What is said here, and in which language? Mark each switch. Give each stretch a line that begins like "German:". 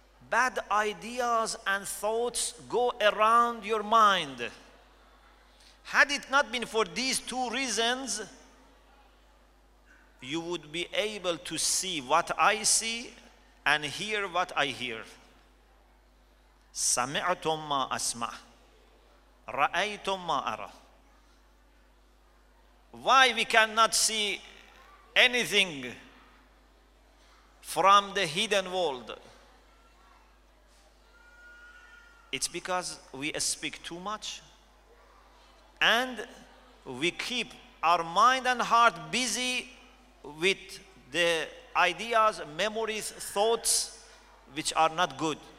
English: bad ideas and thoughts go around your mind. Had it not been for these two reasons, you would be able to see what I see and hear what I hear.
Arabic: سمعتم ما أسمع رأيتم ما أرى.
English: Why we cannot see anything from the hidden world? It's because we speak too much and we keep our mind and heart busy with the ideas, memories, thoughts which are not good.